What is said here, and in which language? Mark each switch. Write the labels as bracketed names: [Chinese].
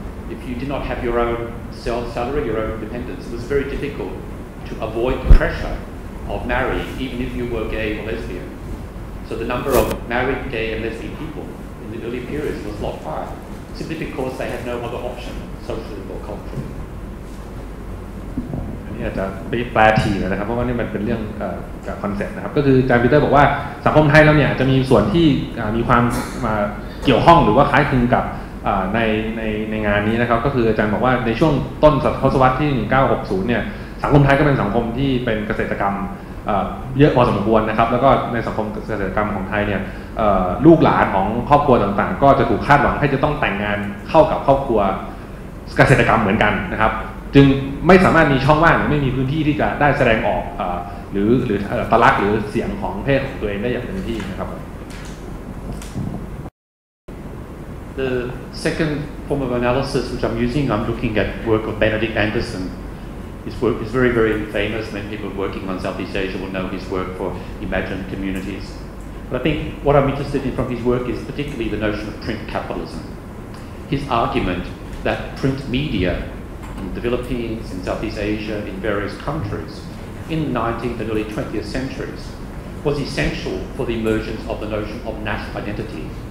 [English] If you did not have your own salary, your own independence, it was very difficult to avoid the pressure of marrying, even if you were gay or lesbian. So the number of married gay and lesbian people in the early periods was a lot higher, simply because they had no other option, socially or culturally. [Thai] อาจจะไปแปลทีนะครับเพราะว่านี่มันเป็นเรื่องคอนเซ็ปต์นะครับก็คืออาจารย์ปีเตอร์บอกว่าสังคมไทยเราเนี่ยจะมีส่วนที่มีความมาเกี่ยวข้องหรือว่าคล้ายคลึงกับในงานนี้นะครับก็คืออาจารย์บอกว่าในช่วงต้นศตวรรษที่1960เนี่ยสังคมไทยก็เป็นสังคมที่เป็นเกษตรกรรม เยอะพอสมควรนะครับแล้วก็ในสังคมเกษตรกรรมของไทยเนี่ยลูกหลานของครอบครัวต่างๆก็จะถูกคาดหวังให้จะต้องแต่งงานเข้ากับครอบครัวเกษตรกรรมเหมือนกันนะครับจึงไม่สามารถมีช่องว่างหรือไม่มีพื้นที่ที่จะได้แสดงออกหรือตลักหรือเสียงของเพศของตัวเองได้อย่างเต็มที่นะครับ [English] The second form of analysis which I'm using I'm looking at work of Benedict Anderson his work is very very famous many people working on Southeast Asia will know his work for imagined communities but I think what I'm interested in from his work is particularly the notion of print capitalism his argument that print mediaIn the Philippines, in Southeast Asia, in various countries, in the 19th and early 20th centuries, was essential for the emergence of the notion of national identity.